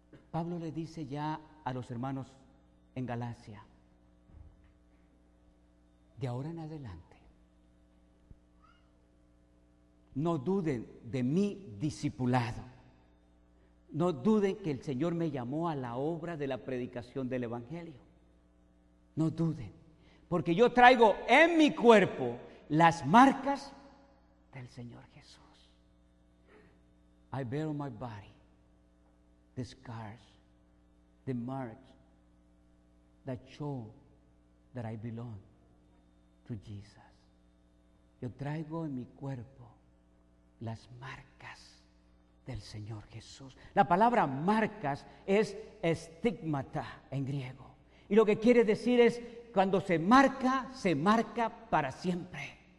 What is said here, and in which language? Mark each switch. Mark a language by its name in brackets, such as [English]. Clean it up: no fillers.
[Spanish] Pablo le dice ya a los hermanos en Galacia, de ahora en adelante, no duden de mi discipulado. No duden que el Señor me llamó a la obra de la predicación del Evangelio. No duden, porque yo traigo en mi cuerpo las marcas del Señor Jesús. [English] I bear on my body the scars, the marks that show that I belong to Jesus. [Spanish] Yo traigo en mi cuerpo las marcas del Señor Jesús. La palabra marcas es estigmata en griego. Y lo que quiere decir es, cuando se marca para siempre.